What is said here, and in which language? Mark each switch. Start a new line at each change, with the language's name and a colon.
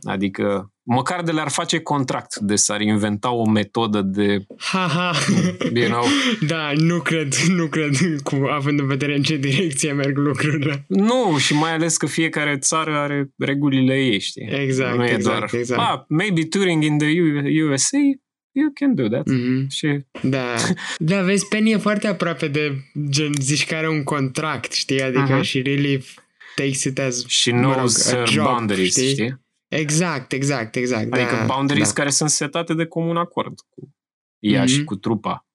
Romanian: Adică, măcar de le-ar face contract de s-ar inventa o metodă de... Ha-ha!
English: You know?
Romanian: Da, nu cred, având în vedere în ce direcție merg lucrurile. Nu, și mai ales că fiecare țară are regulile ei, știi? Exact, nu e exact, doar, exact.
English: Ah, maybe touring in the USA, you can do that. Mm-hmm.
Romanian: Și... Da. Da, vezi, Penny e foarte aproape de, gen, zici că are un contract, știi? Adică și
English: really... takes it as she knows job, boundaries,
Romanian: știi? Exact. Adică da,
English: boundaries
Romanian: da. Care sunt setate de comun acord cu ea și cu trupa.